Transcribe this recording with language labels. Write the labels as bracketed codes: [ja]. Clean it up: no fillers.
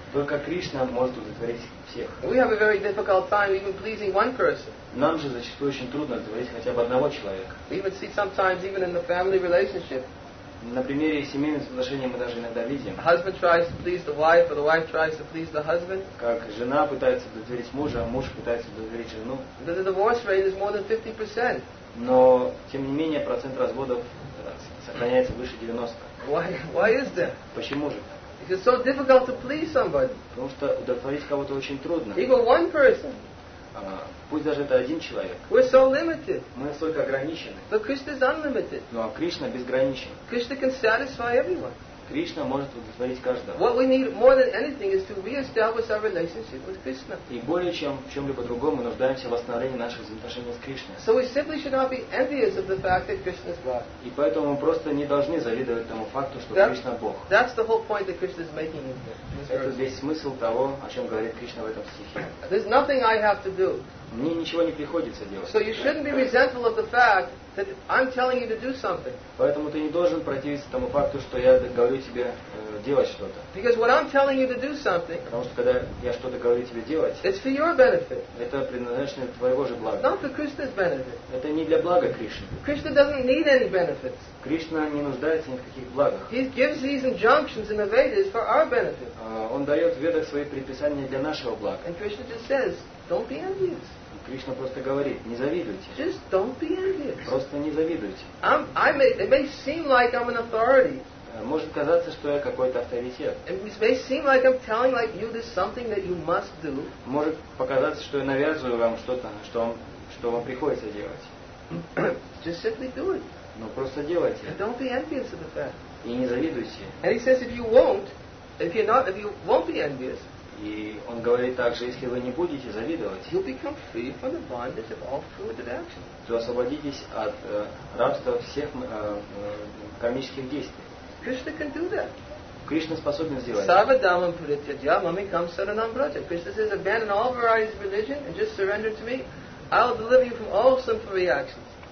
[ru] Только Кришна может удовлетворить всех. [en] We have a very difficult time even pleasing one person. [ru] Нам же зачастую очень трудно удовлетворить хотя бы одного человека. [en] We even see sometimes even in the family relationship. [ru] На примере семейных отношений мы даже иногда видим. [en] Husband tries to please the wife, or the wife tries to please the husband. [ru] Как жена пытается удовлетворить мужа, а муж пытается удовлетворить жену. [en] The divorce rate is more than 50%. [ru] Но тем не менее процент разводов сохраняется выше 90. [en] Why is that? [ru] Почему же? [en] It's so difficult to please somebody. [ru] Потому что удовлетворить кого-то очень трудно. [en] Even one person. [ru] Пусть даже это один человек. [en] We're so limited. [ru] Мы настолько ограничены. [en] But Krishna is unlimited. [ru] Но Кришна безграничен. [en] Krishna can satisfy everyone. [ru] Кришна может удовлетворить каждого. [en] What we need more than anything is to re-establish our relationship with Krishna. [ru] И более чем в чем-либо другом мы нуждаемся в восстановлении наших взаимоотношений с Кришной. [en] So we simply should not be envious of the fact that Krishna is God. [ru] И поэтому мы просто не должны завидовать тому факту, что Кришна Бог. [en] That's the whole point that Krishna is making in this. [ru] Это весь смысл того, о чем говорит Кришна в этом стихе. [en] There's nothing I have to do. [ru] Мне ничего не приходится делать. [en] So you shouldn't be resentful of the fact that I'm telling you to do something. [ru] Поэтому ты не должен противиться тому факту, что я говорю тебе делать что-то. [en] Because when I'm telling you to do something, [ru] потому что когда я что-то говорю тебе делать, [en] it's for your benefit. [ru] Это предназначено для твоего же блага. [en] Not for Krishna's benefit. [ru] Это не для блага Кришны. [en] Krishna doesn't need any benefits. [ru] Кришна не нуждается ни в каких благах. [en] He gives these injunctions in the Vedas for our benefit. [ru] Он дает в Ведах свои предписания для нашего блага. [en] And Krishna just says, don't be envious. [ru] Кришна просто говорит: не завидуйте. [en] Just don't be envious. [ru] Просто не завидуйте. [en] It may seem like I'm an authority. [ru] Может казаться, что я какой-то авторитет. [en] It may seem like I'm telling like you this something that you must do. [ru] Может показаться, что я навязываю вам что-то, что вам приходится делать. [en] Just simply do it. [ru] Но просто делайте. [en] And don't be envious of the fact. [ru] И не завидуйте. [en] And he says, if you won't be envious. [ru] И он говорит также: если вы не будете завидовать, [en] you'll become free from the bondage of all fruited action. [ru] То освободитесь от рабства всех кармических действий. [en] Krishna can do that. [ru] Кришна способен сделать. [sa] Sarva dhammam pratyajya mamekam saranam braja. [en] Krishna says, abandon all varieties of religion and just surrender to me. I'll deliver you from all sinful reactions.